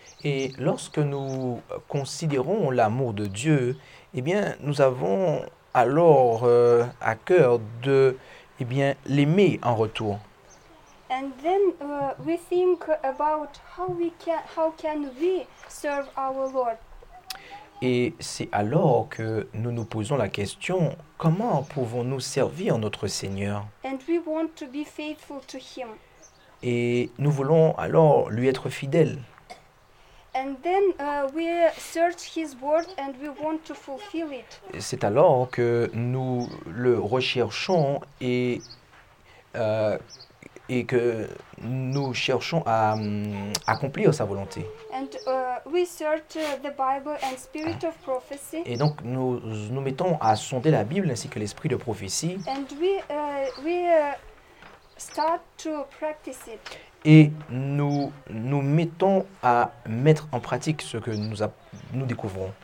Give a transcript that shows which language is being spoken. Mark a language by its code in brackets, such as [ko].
[fr] Et lorsque nous considérons l'amour de Dieu, eh bien, nous avons alors à cœur de, eh bien, l'aimer en retour. [en] And then we think about how can we serve our Lord. [fr] Et c'est alors que nous nous posons la question, comment pouvons-nous servir notre Seigneur? [en] And we want to be faithful to Him. [fr] Et nous voulons alors lui être fidèles. [en] And then we search His word and we want to fulfill it. [fr] C'est alors que nous le recherchons et que nous cherchons à accomplir sa volonté. [en] And we search the Bible and spirit of prophecy. [fr] Et donc nous nous mettons à sonder la Bible ainsi que l'esprit de prophétie. [en] And we start to practice it. [fr] Et nous mettons à mettre en pratique ce que nous découvrons.